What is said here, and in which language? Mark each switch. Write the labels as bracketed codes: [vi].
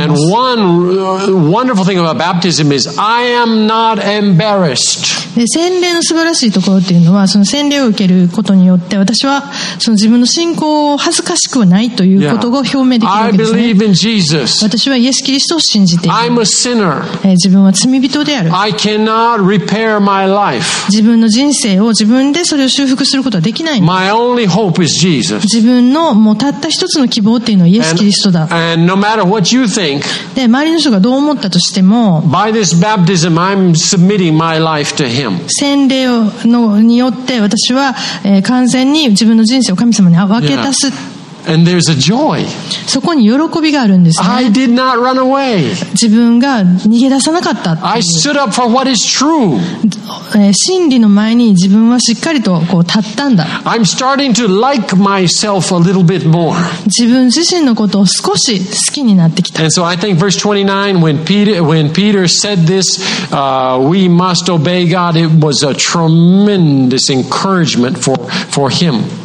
[en] And one wonderful thing about baptism is I am not embarrassed. [ja] 洗礼の素晴らしいところっていうのは、その洗礼を受けることによって私はその自分の信仰を恥ずかしくはないということを表明できるわけですね。 [en] I believe in Jesus. [ja] 私はイエス・キリストを信じている。 [en] I'm a sinner. [ja] 自分は罪人である。 [en] I cannot repair my life. [ja] 自分の人生を自分でそれを修復することはできない。 [en] My only hope is Jesus. [ja] 自分のもうたった一つの希望っていうのはイエス・キリストだ。 [en] and no matter what you think, [ja] で周りの人がどう思ったとしても [en] by this baptism, I'm submitting my life to him. [ja] 洗礼のによって私は、完全に自分の人生を神様に分け出す、yeah. [en] And there's a joy. [ja] そこに喜びがあるんですね。 [en] I did not run away. [ja] 自分が逃げ出さなかったっていう。 [en] I stood up for what is true. [ja] 真理の前に自分はしっかりとこう立ったんだ。 [en] I'm starting to like myself a little bit more. [ja] 自分自身のことを少し好きになってきた。 [en] And so I think verse 29, when Peter said this, we must obey God, it was a tremendous encouragement for him.